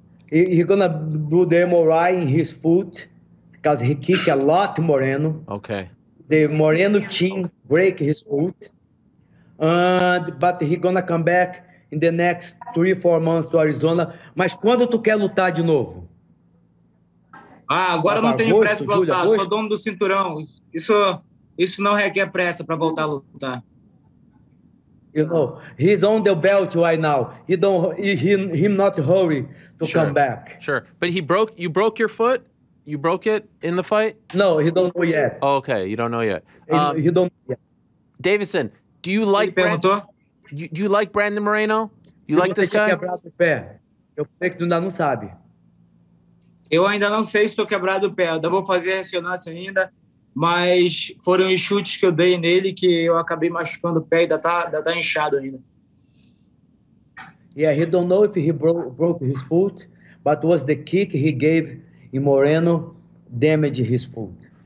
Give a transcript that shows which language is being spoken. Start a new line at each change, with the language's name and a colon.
English: He's gonna do the MRI in his foot, because he kicked a lot Moreno. Okay. The Moreno team break his foot. But he's gonna come back in the next 3-4 months to Arizona.
Portuguese: Mas quando tu quer lutar de novo? Agora eu não tenho pressa para lutar, sou dono do cinturão. Isso não requer pressa para voltar a lutar.
English: You know, he's on the belt right now. He's not hurry to come back. Sure, but you broke your foot? You broke it in the fight? No, he don't know yet. Oh, okay, you don't know yet. He don't know yet. Deiveson, do you like Brandon? Do you like Brandon Moreno? You like this guy?
Portuguese: Quebrado pé. Eu sei que tu ainda não sabe. Eu ainda não sei se estou quebrado o pé. Ainda vou fazer a ressonância ainda, mas foram os chutes que eu dei nele que eu acabei machucando o pé e ainda tá inchado ainda.
English: Yeah, he don't know if he broke his foot, but was the kick he gave in Moreno damaged his foot.